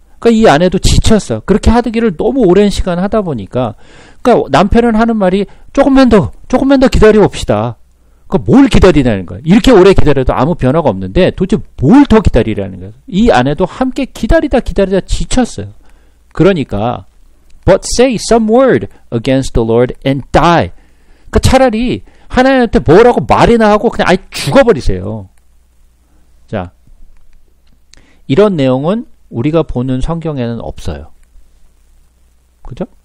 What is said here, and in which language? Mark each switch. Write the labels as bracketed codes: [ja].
[ko] 그러니까 이 아내도 지쳤어. 그렇게 하기를 너무 오랜 시간 하다 보니까, 그러니까 남편은 하는 말이 조금만 더 기다려 봅시다. 그러니까 뭘 기다리냐는 거야. 이렇게 오래 기다려도 아무 변화가 없는데 도대체 뭘더 기다리라는 거야. 이 아내도 함께 기다리다 지쳤어요. [en] 그러니까 But say some word against the Lord and die. [ko] 그러니까 차라리 하나님한테 뭐라고 말이나 하고 그냥 아예 죽어버리세요. 자, 이런 내용은 우리가 보는 성경에는 없어요. 그죠?